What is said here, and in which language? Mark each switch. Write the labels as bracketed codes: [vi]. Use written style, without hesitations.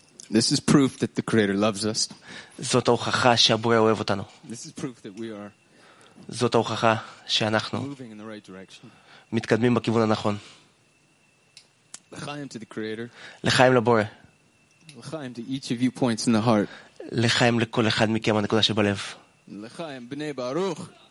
[en] This is proof that the creator loves us. [he] זאת ההוכחה שהבורא אוהב אותנו. [en] This is proof that we are [he] זאת ההוכחה שאנחנו מתקדמים בכיוון הנכון. [en] לחיים to the creator. [he] לחיים לבורא. [en] לחיים to each of you points in the heart. [he] לחיים לכל אחד מכם הנקודה שבלב. לחיים בני ברוך.